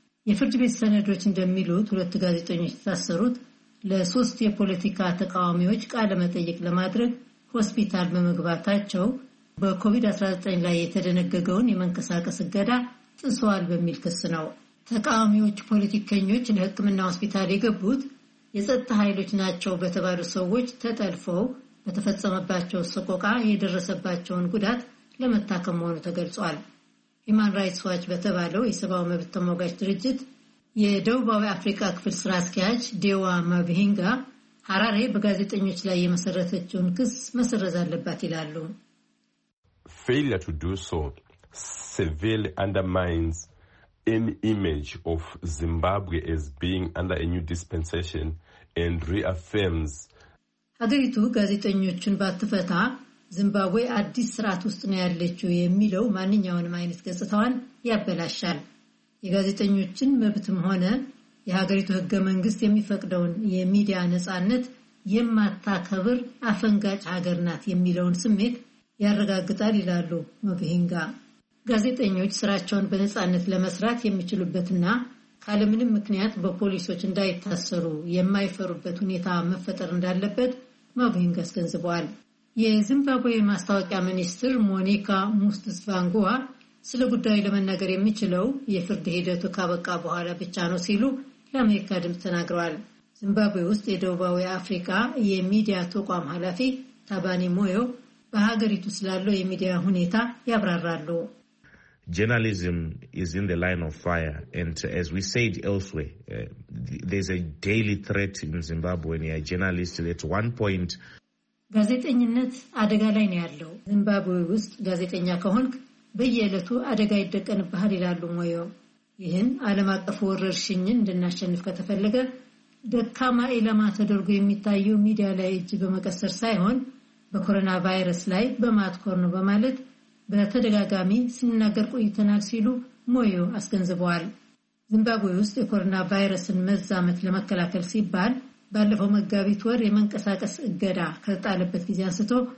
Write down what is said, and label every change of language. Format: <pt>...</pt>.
<am>የፍርድ ቤት ሰነዶች እንደሚሉት 2 ጋዜጠኞች ተታሰሩት ለ3 የፖለቲካ ተቃዋሚዎች ቃለ መጠይቅ ለማድረግ ሆስፒታል በመግባታቸው በኮቪድ-19 ላይ የተደነገገውን የመንቀሳቀስ እገዳ ጥሷል በሚል ክስ ነው። ተቃዋሚዎች ፖለቲከኞች ለህክምና ሆስፒታል የገቡት የጸጥታ ኃይሎች ናቸው በተባሉ ሰዎች ተጠልፈው በተፈጸመባቸው ሰቆቃ የደረሰባቸውን ጉዳት ለመታከም መሆኑ ተገልጿል። ሂማን ራይትስ ዋች በተባለው የሰብአዊ መብት ተሟጋች ድርጅት የደቡባዊ አፍሪካ ክፍል ስራ አስኪያጅ ዴዋ ማብሂንጋ ሐራሬ በጋዜጠኞች ላይ የመሰረተችውን ክስ መሰረዝ አለባት ይላሉ።</am> <en>Failure to do so severely undermines any image of Zimbabwe as being under a new dispensation and reaffirms</en> <am>ሀገሪቱ ጋዜጠኞችን ባትፈታ ዚምባብዌ አዲስ ስርዓት ውስጥ ነው ያለችው የሚለው ማንኛውንም አይነት ገጽታዋን ያበላሻል። የጋዜጠኞችን መብትም ሆነ የሀገሪቱ ህገ መንግስት የሚፈቅደውን የሚዲያ ነጻነት የማታከብር አፈንጋጭ ሀገር ናት የሚለውን ስሜት ያረጋግጣል ይላሉ መብሂንጋ። ጋዜጠኞች ስራቸውን በነጻነት ለመስራት የሚችሉበትና ካለምንም ምክንያት በፖሊሶች እንዳይታሰሩ የማይፈሩበት ሁኔታ መፈጠር እንዳለበት መብሂንጋ አስገንዝበዋል። የዚምባብዌ ማስታወቂያ ሚኒስትር ሞኒካ ሙስትስቫንጉዋ ስለ ጉዳዩ ለመናገር የሚችለው የፍርድ ሂደቱ ካበቃ በኋላ ብቻ ነው ሲሉ ለአሜሪካ ድምፅ ተናግረዋል። ዚምባብዌ ውስጥ የደቡባዊ አፍሪካ የሚዲያ ተቋም ኃላፊ ታባኒ ሞዮ በሀገሪቱ ስላለው የሚዲያ ሁኔታ ያብራራሉ።</am> <en>Journalism is in the line of fire, and as we said elsewhere, there's a daily threat in Zimbabwe near journalists at one point.</en> <am>ጋዜጠኝነት አደጋ ላይ ነው ያለው። ዚምባብዌ ውስጥ ጋዜጠኛ ከሆንክ በየዕለቱ አደጋ ይደቀንብሃል ይላሉ ሞዮ። ይህን ዓለም አቀፍ ወረርሽኝን እንድናሸንፍ ከተፈለገ ደካማ ኢላማ ተደርጎ የሚታየው ሚዲያ ላይ እጅ በመቀሰር ሳይሆን በኮሮና ቫይረስ ላይ በማትኮር ነው በማለት በተደጋጋሚ ስንናገር ቆይተናል ሲሉ ሞዮ አስገንዝበዋል። ዚምባብዌ ውስጥ የኮሮና ቫይረስን መዛመት ለመከላከል ሲባል ባለፈው መጋቢት ወር የመንቀሳቀስ እገዳ ከተጣለበት ጊዜ አንስቶ</am>